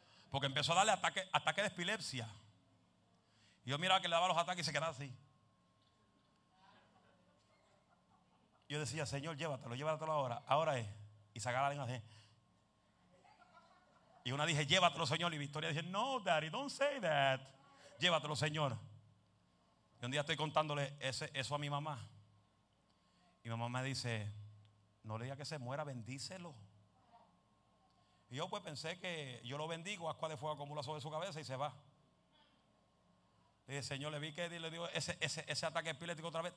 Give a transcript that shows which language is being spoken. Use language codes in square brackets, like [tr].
[es] Porque empezó a darle ataque de epilepsia. Y yo miraba que le daba los ataques y se quedaba así. Yo decía: Señor, llévatelo ahora. Ahora es. Y sacaba la lengua así. Y una dije: llévatelo, Señor. Y Victoria dice: [en] no, Daddy, don't say that. [es] Llévatelo, Señor. Y un día estoy contándole eso a mi mamá. Y mi mamá me dice: no le diga que se muera, bendícelo. Y yo pues pensé que yo lo bendigo, ascua de fuego acumula sobre su cabeza y se va. Le dije: Señor, le vi que le dio ese ataque epiléptico otra vez.